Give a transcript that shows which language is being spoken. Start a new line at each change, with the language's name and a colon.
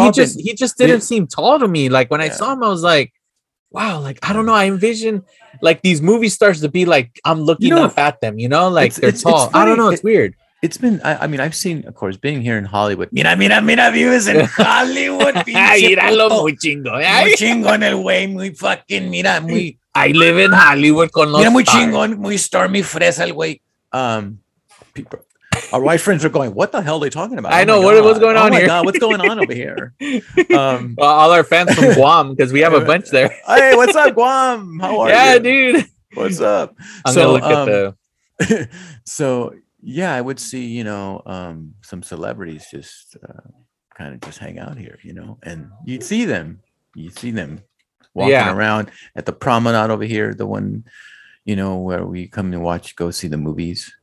English: he just didn't seem tall to me. Like when I saw him, I was like, wow, like I don't know, I envision like these movie stars to be like, I'm looking, you know, up at them, you know, like they're tall. I don't know, it's weird. It's been, I mean, I've seen, of course, being here in Hollywood.
Spanish: Mira, vives en Hollywood. Míralo, muy chingo. Muy chingón el güey, muy fucking, mira, muy.
English: I live in Hollywood
Spanish: con los
English: stars.
Spanish: Muy chingón, muy star, muy fresa el güey.
English: People, our white friends are going, what the hell are they talking about? I know, what's going on here? Oh my God, what's going on over here? All our fans from Guam, because we have a bunch there. Hey, what's up, Guam? How are you? Yeah, dude. What's up? I'm going to look at the. So, yeah, I would see, you know, some celebrities just kind of just hang out here, you know, and you'd see them walking around at the promenade over here, the one, you know, where we come and watch, go see the movies.